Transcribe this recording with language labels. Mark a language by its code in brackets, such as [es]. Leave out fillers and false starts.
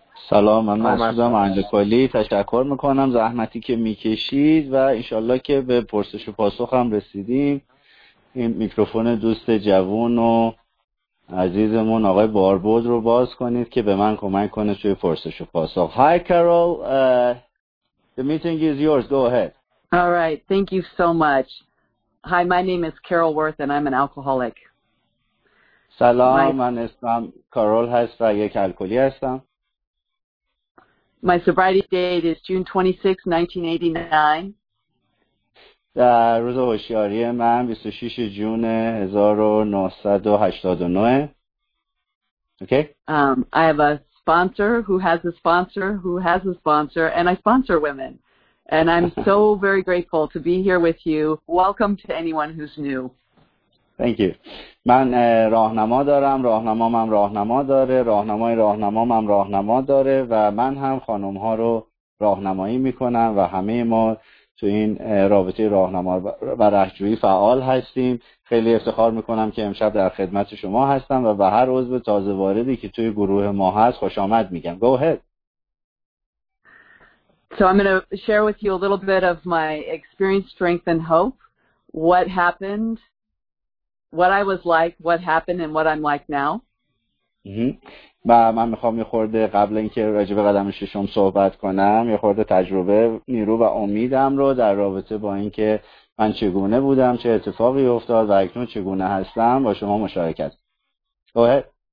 [fa] سلام، من مسعودم اندکالی. تشکر میکنم زحمتی که میکشید و انشالله که به پرسش و پاسخ هم رسیدیم. این میکروفون دوست جوون و عزیزمون آقای باربود رو باز کنید که به من کمک کنه توی پرسش و پاسخ. [en] Hi Carol, the meeting is yours, go ahead. All right, thank you so much. Hi, my name is Carol Worth and I'm an alcoholic. [fa] سلام، من اسمم کارول هست و یک الکلی هستم. [en] My sobriety date is June 26, 1989. [fa] روز هوشیاری من 26 جون 1989. [en] I have a sponsor who has a sponsor who has a sponsor, and I sponsor women. And I'm so very grateful to be here with you. Welcome to anyone who's new. Thank you. [fa] من راهنما دارم، راهنمامم راهنما داره، راهنمای راهنمامم راهنما داره و من هم خانم ها رو راهنمایی میکنم و همه ما تو این رابطه راهنما و رهجویی فعال هستیم. خیلی افتخار میکنم که امشب در خدمت شما هستم و به هر عضو تازه واردی که توی گروه ما هست خوش آمد میگم. [en] Go ahead. So I'm going to share with you a little bit of my experience, strength and hope. What happened? What I was like, what happened, and what I'm like now. [fa] و من میخوام یه خورده قبل اینکه راجع به قدم ششم صحبت کنم، یه خورده تجربه، نیرو و امیدم رو در رابطه با اینکه من چگونه بودم، چه اتفاقی افتاد و اکنون چگونه هستم با شما مشارکت. [en] Go ahead.